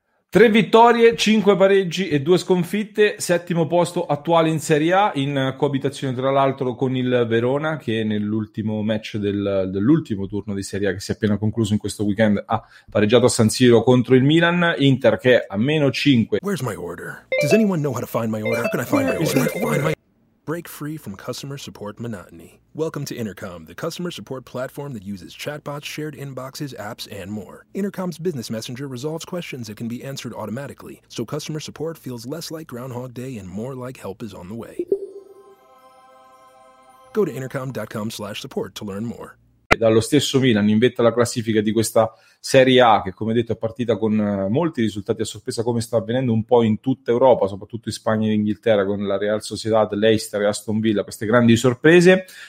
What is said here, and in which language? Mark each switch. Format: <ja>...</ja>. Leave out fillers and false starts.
<it>Tre vittorie, cinque pareggi e due sconfitte, settimo posto attuale in Serie A, in coabitazione tra l'altro con il Verona, che nell'ultimo match dell'ultimo turno di Serie A che si è appena concluso in questo weekend ha pareggiato a San Siro contro il Milan. Inter che è a meno 5.</it> <en>Where's my order? Does anyone know how to find my order? How can I find my order? Break free from customer support monotony. Welcome to Intercom, the customer support platform that uses chatbots, shared inboxes, apps, and more. Intercom's business messenger resolves questions that can be answered automatically, so customer support feels less like Groundhog Day and more like help is on the way. Go to intercom.com/support to learn more.</en> <it>Dallo stesso Milan in vetta alla classifica di questa Serie A che, come detto, è partita con molti risultati a sorpresa, come sta avvenendo un po' in tutta Europa, soprattutto in Spagna e in Inghilterra, con la Real Sociedad, Leicester e Aston Villa, queste grandi sorprese.</it>